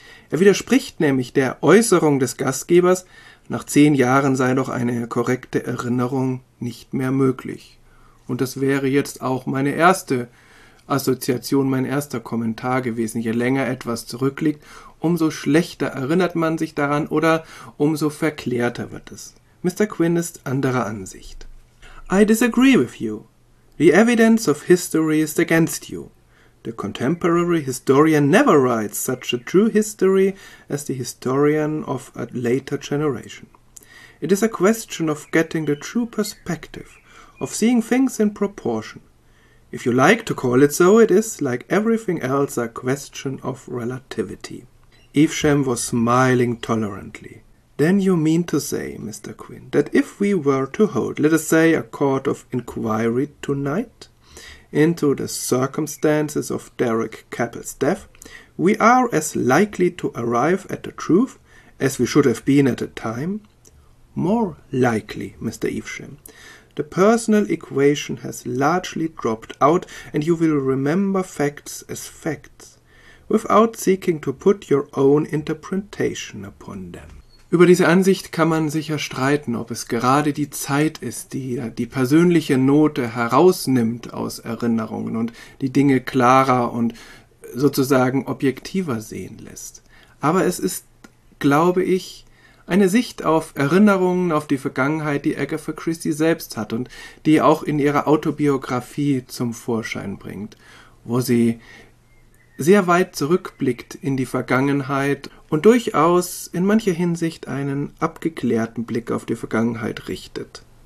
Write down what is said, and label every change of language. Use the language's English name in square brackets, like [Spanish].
[German] Er widerspricht nämlich der Äußerung des Gastgebers, nach 10 Jahren sei doch eine korrekte Erinnerung nicht mehr möglich. Und das wäre jetzt auch meine erste Assoziation, mein erster Kommentar gewesen. Je länger etwas zurückliegt, umso schlechter erinnert man sich daran oder umso verklärter wird es. Mr. Quinn ist anderer Ansicht. [English] I disagree with you. The evidence of history is against you. The contemporary historian never writes such a true history as the historian of a later generation. It is a question of getting the true perspective, of seeing things in proportion. If you like to call it so, it is, like everything else, a question of relativity. Evesham was smiling tolerantly. Then you mean to say, Mr. Quinn, that if we were to hold, let us say, a court of inquiry tonight into the circumstances of Derek Cappell's death, we are as likely to arrive at the truth as we should have been at the time? More likely, Mr. Evesham. The personal equation has largely dropped out, and you will remember facts as facts, without seeking to put your own interpretation upon them. [German] Über diese Ansicht kann man sicher streiten, ob es gerade die Zeit ist, die die persönliche Note herausnimmt aus Erinnerungen und die Dinge klarer und sozusagen objektiver sehen lässt. Aber es ist, glaube ich, eine Sicht auf Erinnerungen, auf die Vergangenheit, die Agatha Christie selbst hat und die auch in ihrer Autobiografie zum Vorschein bringt, wo sie sehr weit zurückblickt in die Vergangenheit und durchaus in mancher Hinsicht einen abgeklärten Blick auf die Vergangenheit richtet.